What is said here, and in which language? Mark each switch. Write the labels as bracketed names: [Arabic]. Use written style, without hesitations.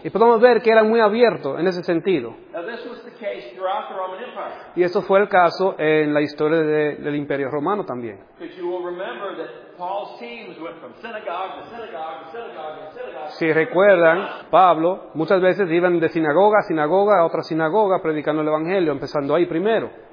[Spanish] Y podemos ver que eran muy abiertos en ese sentido. [English] Now, this was the case throughout the Roman Empire. [Spanish] Y eso fue el caso en la historia del Imperio Romano también. [English] Because you will remember that Paul's teams went from synagogue to synagogue to synagogue to synagogue. [Spanish] Si recuerdan, Pablo muchas veces iban de sinagoga a sinagoga a otra sinagoga predicando el Evangelio, empezando ahí primero.